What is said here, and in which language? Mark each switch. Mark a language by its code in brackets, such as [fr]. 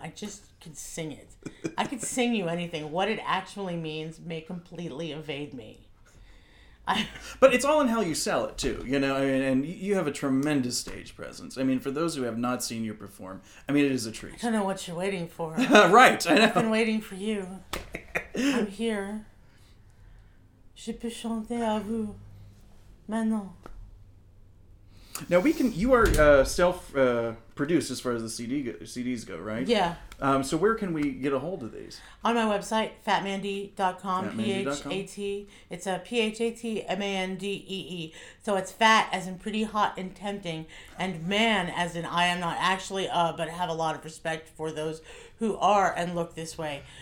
[en] I just could sing it. I could sing you anything. What it actually means may completely evade me. But it's all in how you sell it, too. You know, I mean, and you have a tremendous stage presence. I mean, for those who have not seen you perform, I mean, it is a treat. I don't know what you're waiting for. Right, I know. I've been waiting for you. I'm here. [fr] Je peux chanter à vous maintenant. [en] Now, you are self-produced as far as the CDs go, right? Yeah. So where can we get a hold of these? On my website, fatmandy.com, P-H-A-T. It's a P-H-A-T-M-A-N-D-E-E. So it's fat as in pretty hot and tempting, and man as in I am not actually, but have a lot of respect for those who are and look this way.